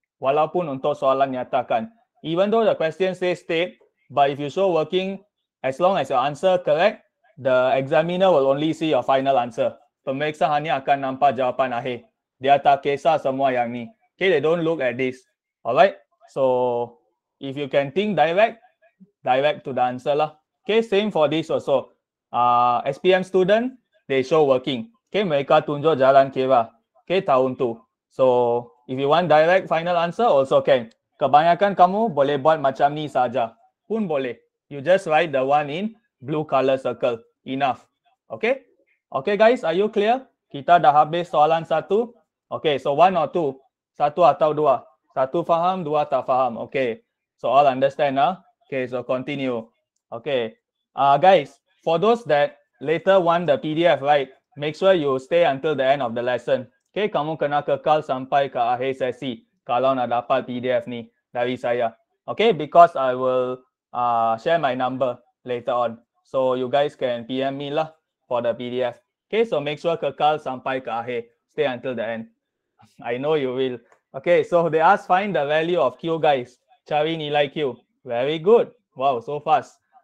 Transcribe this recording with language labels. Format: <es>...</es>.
<ms>Walaupun untuk soalan nyatakan.</ms> <en>Even though the question says state, but if you show working, as long as your answer correct, the examiner will only see your final answer.</en> <ms>Pemeriksa hanya akan nampak jawapan akhir. Dia tak kisah semua yang ni.</ms> <en>Okay, they don't look at this. Alright? So, if you can think direct to the answer lah. Okay, same for this also. SPM student, they show working.</en> <ms>Okay, mereka tunjuk jalan kira. Okay, tahun tu.</ms> <en>So, if you want direct final answer, also can.</en> <ms>Kebanyakan kamu boleh buat macam ni saja. Pun boleh.</ms> <en>You just write the one in blue color circle. Enough. Okay? Okay, guys, are you clear?</en> <ms>Kita dah habis soalan satu.</ms> <en>Okay, so one or two?</en> <ms>Satu atau dua? Satu faham, dua tak faham. Okay.</ms> <en>So, all understand, huh? Okay, so continue. Okay. Guys, for those that later want the PDF, right? Make sure you stay until the end of the lesson.</en> <ms>Okay, kamu kena kekal sampai ke akhir sesi kalau nak dapat PDF ni dari saya.</ms> <en>Okay, because I will share my number later on. So, you guys can PM me lah for the PDF. Okay, so make sure</en> <ms>kekal sampai ke akhir.</ms> <en>Stay until the end. I know you will. Okay, so they ask find the value of Q, guys.</en> <ms>Cari nilai Q.</ms> <en>Very good. Wow, so fast.</en>